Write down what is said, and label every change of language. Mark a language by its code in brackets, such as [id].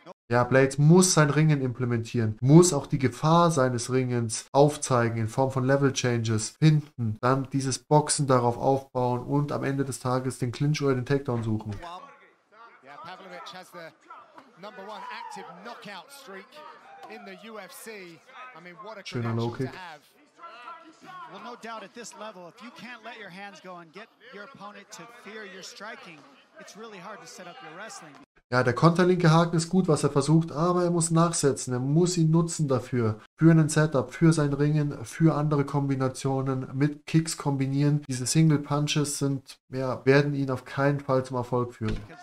[de] Ja, Blaydes muss sein Ringen implementieren, muss auch die Gefahr seines Ringens aufzeigen in Form von Level Changes, finden, dann dieses Boxen darauf aufbauen und am Ende des Tages den Clinch oder den Takedown suchen. [en] Ja, Pavlovich has the number one active knockout streak in the UFC. I mean, what a schöner Low Kick. Well, no doubt at this level, if you can't let your hands go and get your opponent to fear your striking, it's really hard to set up your wrestling. [de] Ja, der konterlinke Haken ist gut, was er versucht, aber er muss nachsetzen, er muss ihn nutzen dafür. Für einen Setup, für sein Ringen, für andere Kombinationen, mit Kicks kombinieren. Diese Single Punches sind, ja, werden ihn auf keinen Fall zum Erfolg führen.